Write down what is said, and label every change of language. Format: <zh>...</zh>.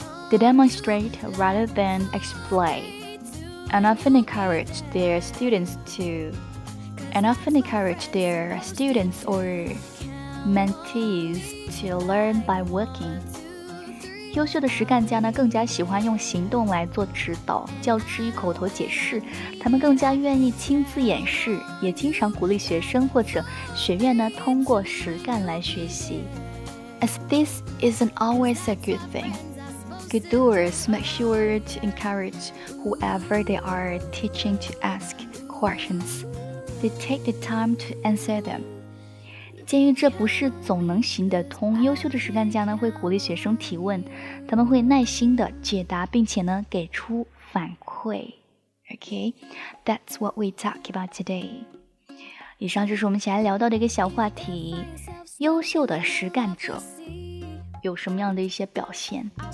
<en>They demonstrate rather than explain, and often encourage their students or. Mentees to learn by working.</en> <zh>优秀的实干家呢更加喜欢用行动来做指导，较之于口头解释，他们更加愿意亲自演示，也经常鼓励学生或者学院呢通过实干来学习。</zh> <en>As this isn't always a good thing, good doers make sure to encourage whoever they are teaching to ask questions. They take the time to answer them.</en> <zh>鉴于这不是总能行得通，优秀的实干家呢会鼓励学生提问，他们会耐心地解答，并且呢给出反馈。</zh> <en>Okay, that's what we talk about today.</en> <zh>以上就是我们前来聊到的一个小话题，优秀的实干者有什么样的一些表现。</zh>